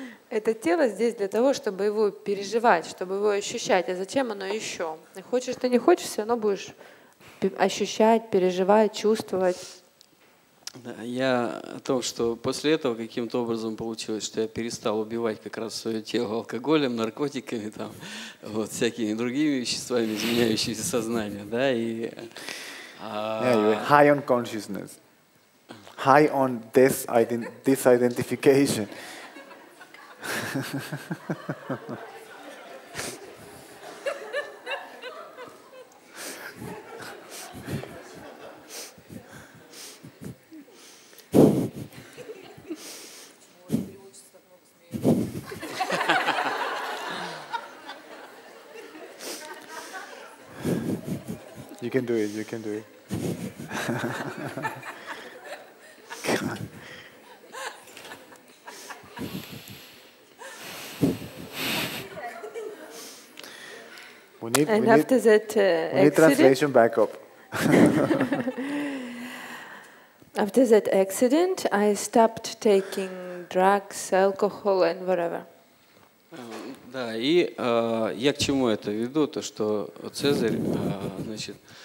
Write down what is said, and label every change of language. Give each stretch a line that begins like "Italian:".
Russian: Это тело здесь для того, чтобы его переживать, чтобы его ощущать. А зачем оно еще? Хочешь ты не хочешь, все равно будешь ощущать, переживать, чувствовать. Я о том, что после этого каким-то образом получилось, что я перестал убивать как раз свое тело алкоголем, наркотиками, там, вот, всякими другими веществами, изменяющими сознание, да, и...
English: Yeah, you're high on consciousness, high on this disidentification. You can do it. You can do it. We need translation backup. After that accident, I stopped taking drugs, alcohol, and whatever.
Russian: Да, и я к чему это веду, то что Цезарь, значит.